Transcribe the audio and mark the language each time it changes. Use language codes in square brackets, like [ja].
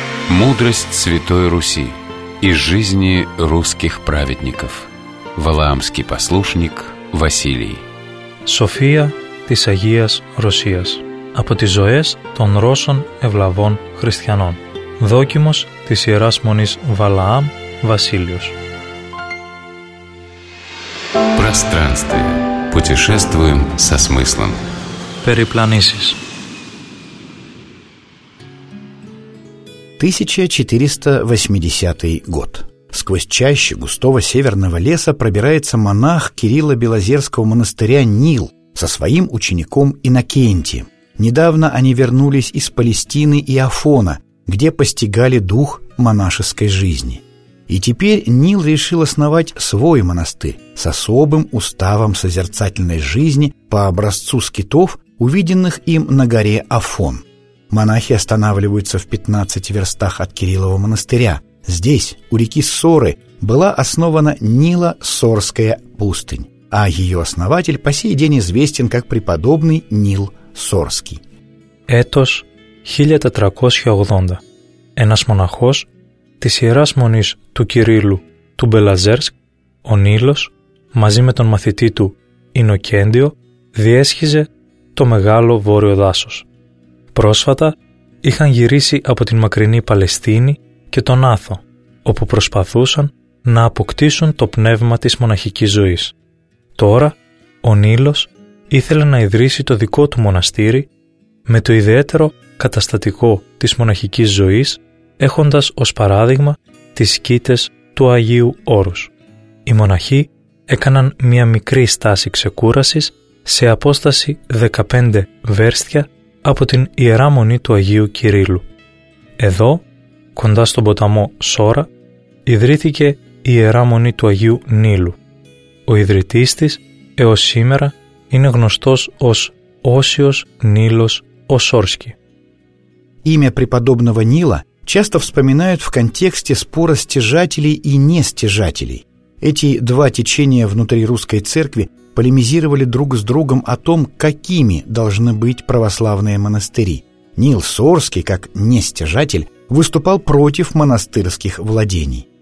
[ru] Мудрость Святой Руси из жизни русских праведников. Валаамский послушник Василий. [el] София της Αγίας Ρωσίας. Από τις ζωές των Ρώσων ευλαβών χριστιανών. Δόκιμος της Ιεράς Μονής Βαλαάμ Βασίλειος. [ru] Пространствие. Путешествуем со смыслом. [el] Περιπλανήσεις. [ru] 1480 год. Сквозь чащи густого северного леса пробирается монах Кирилла Белозерского монастыря Нил со своим учеником Иннокентием. Недавно они вернулись из Палестины и Афона, где постигали дух монашеской жизни. И теперь Нил решил основать свой монастырь с особым уставом созерцательной жизни по образцу скитов, увиденных им на горе Афон. Монахи останавливаются в 15 верстах от Кириллова монастыря. Здесь, у реки Соры, была основана Нило-Сорская пустынь, а ее основатель по сей день известен как преподобный Нил Сорский. [el] Этос 1480. Ένας μοναχός της Ιεράς Μονής του Κυρίλου του Μπελαζέρσκ, ο Νίλος, μαζί με τον μαθητή του Ινοκέντιο, διέσχιζε το μεγάλο βόρειο δάσος. Πρόσφατα είχαν γυρίσει από την μακρινή Παλαιστίνη και τον Άθο, όπου προσπαθούσαν να αποκτήσουν το πνεύμα της μοναχικής ζωής. Τώρα, ο Νίλος ήθελε να ιδρύσει το δικό του μοναστήρι με το ιδιαίτερο καταστατικό της μοναχικής ζωής, έχοντας ως παράδειγμα τις σκήτες του Αγίου Όρους. Οι μοναχοί έκαναν μία μικρή στάση ξεκούρασης σε απόσταση 15 βέρστια από την Ιερά Μονή του Αγίου Κυρίλου. Εδώ, κοντά στον ποταμό Σόρα, ιδρύθηκε η Ιερά Μονή του Αγίου Νίλου. Ο ιδρυτής της, έως σήμερα, είναι γνωστός ως Όσιος Νίλος Οσόρσκι. [ru] Имя преподобного Нила часто вспоминают в контексте спора стяжателей и нестяжателей. Эти два течения внутри русской церкви полемизировали друг с другом о том, какими должны быть православные монастыри. Нил Сорский, как нестяжатель, выступал против монастырских владений.